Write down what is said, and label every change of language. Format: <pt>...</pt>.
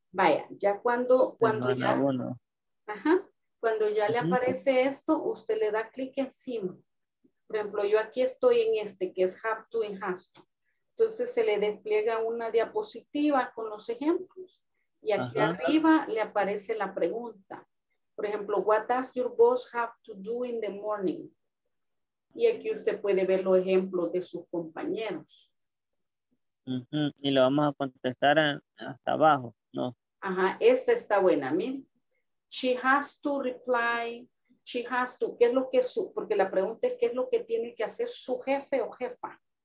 <es>Vaya, ya cuando ya. Uno. Ajá, cuando ya le aparece esto, usted le da clic encima. Por ejemplo, yo aquí estoy en este que es</es> <en>have to and has to.</en> <es>Entonces se le despliega una diapositiva con los ejemplos. Y aquí arriba le aparece la pregunta. Por ejemplo,</es> <en>what does your boss have to do in the morning?</en> <es>Y aquí usted puede ver los ejemplos de sus compañeros. Uh-huh. Y lo vamos a contestar hasta abajo, ¿no? Ajá, esta está buena, miren.</es> <en>She has to reply, she has to,</en> <es>¿qué es lo que su? Porque la pregunta es, ¿qué es lo que tiene que hacer su jefe o jefa?</es>